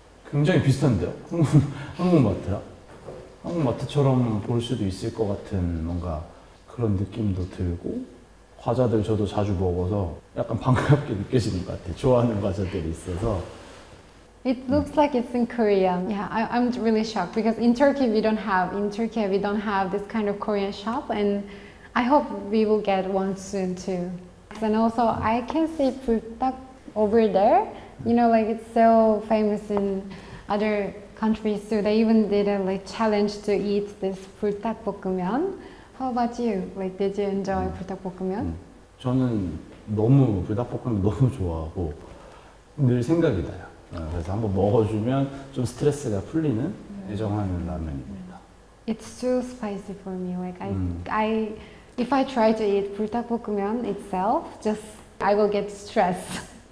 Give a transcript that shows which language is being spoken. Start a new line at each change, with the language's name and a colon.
Korean: 굉장히 비슷한데요? 한국마트라? 한국마트처럼 볼 수도 있을 것 같은 뭔가 그런 느낌도 들고 과자들 저도 자주 먹어서 약간 반갑게 느껴지는 것 같아요. 좋아하는 과자들이 있어서
English: It looks like it's in Korea. Yeah, I'm really shocked because in Turkey we don't have this kind of Korean shop and I hope we will get one soon too. And also I can see 불닭 over there. You know, like it's so famous in other countries too. They even did a like challenge to eat this 불닭볶음면. How about you? Like, did you enjoy 불닭볶음면?
Korean: 저는 너무 불닭볶음면 너무 좋아하고 늘 생각이 나요. 그래서 한번 먹어주면 좀 스트레스가 풀리는 애정하는 라면입니다.
English: It's too spicy for me. Like, if I try to eat 불닭볶음면 itself, just I will get stressed.